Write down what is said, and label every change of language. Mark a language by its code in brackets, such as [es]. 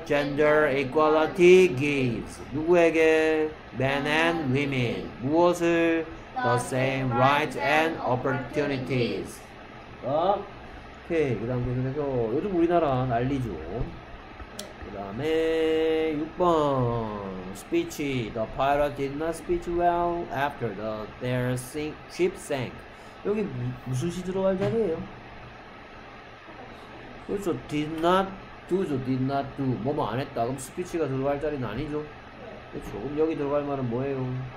[en] Gender equality gives. [ko] 누구에게? [en] Men and women. [ko] 무엇을? [en] The same rights and opportunities. [ko] 오케이. 그 다음 계속해서 요즘 우리나라 난리죠. 그 다음에 6번. Speech. [en] The pilot did not speech well after their ship sank. [ko] 여기 무슨 시 들어갈 자리에요? 그렇죠. [en] Did not do죠. Did not do. [ko] 뭐뭐 안 했다. 그럼 스피치가 들어갈 자리는 아니죠. 그렇죠. 그럼 여기 들어갈 말은 뭐예요?